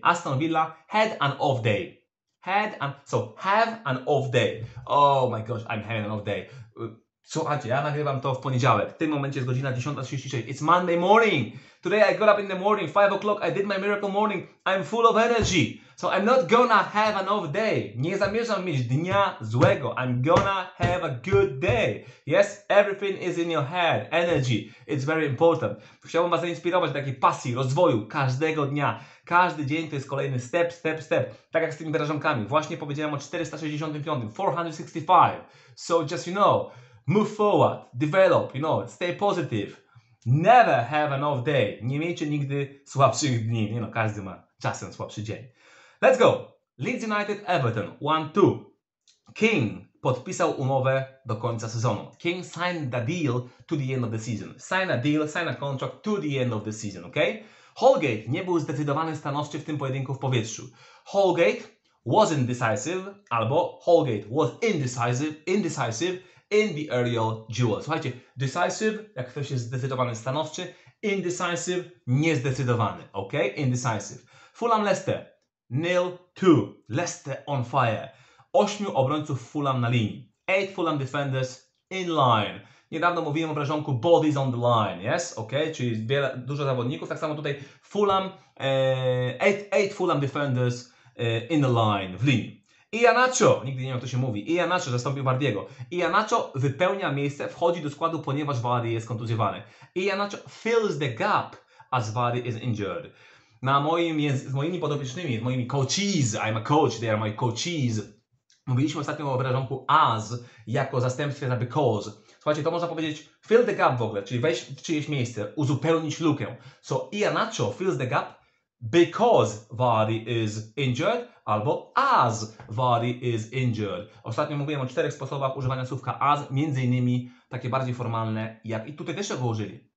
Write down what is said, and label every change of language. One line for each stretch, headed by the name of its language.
English: Aston Villa had an off day. Had an... So, have an off day. Oh my gosh, I'm having an off day.
Polish: Słuchajcie, ja nagrywam to w poniedziałek. W tym momencie jest godzina 10:36.
English: It's Monday morning. Today I got up in the morning, 5 o'clock, I did my miracle morning. I'm full of energy. So I'm not gonna have an off day. Nie zamierzam mieć dnia złego. I'm gonna have a good day. Yes, everything is in your head. Energy. It's very important.
Polish: Chciałbym Was zainspirować do takiej pasji, rozwoju każdego dnia. Każdy dzień to jest kolejny step, step, step. Tak jak z tymi wyrażankami. Właśnie powiedziałem o 465.
English: 465. So just you know. Move forward, develop, you know, stay positive. Never have an off day.
Polish: Nie miejcie nigdy słabszych dni. Nie no, każdy ma czasem słabszy dzień.
English: Let's go.
Polish: Leeds United, Everton, 1-2. King podpisał umowę do końca sezonu.
English: King signed the deal to the end of the season. Sign a deal, sign a contract to the end of the season, ok?
Polish: Holgate nie był zdecydowany, stanowczy w tym pojedynku w powietrzu.
English: Holgate was indecisive, albo Holgate was indecisive, in the aerial duel.
Polish: Słuchajcie, decisive, jak ktoś jest zdecydowany, stanowczy. Indecisive, niezdecydowany. Ok? Indecisive. Fulham Leicester.
English: 0-2. Leicester on fire.
Polish: 8 obrońców Fulham na linii.
English: 8 Fulham defenders in line.
Polish: Niedawno mówiłem o wrażonku
English: bodies on the line.
Polish: Yes? Ok? Czyli wiele, dużo zawodników. Tak samo tutaj Fulham.
English: 8 Fulham defenders in the line,
Polish: w linii. Iheanacho, nigdy nie wiem, jak to się mówi. Iheanacho zastąpił Vardiego. Iheanacho wypełnia miejsce, wchodzi do składu, ponieważ Vardy jest kontuzjowany.
English: Iheanacho fills the gap, as Vardy is injured.
Polish: Z moimi podopiecznymi, z moimi
English: coaches, I'm a coach, they are my coaches.
Polish: Mówiliśmy ostatnio o wyrażonku as, jako zastępstwie za because. Słuchajcie, to można powiedzieć
English: fill the gap
Polish: w ogóle, czyli wejść w czyjeś miejsce, uzupełnić lukę.
English: So Iheanacho fills the gap because Vardy is injured, albo as Vardy is injured.
Polish: Ostatnio mówiłem o czterech sposobach używania słówka as, między innymi takie bardziej formalne jak i tutaj też go użyli.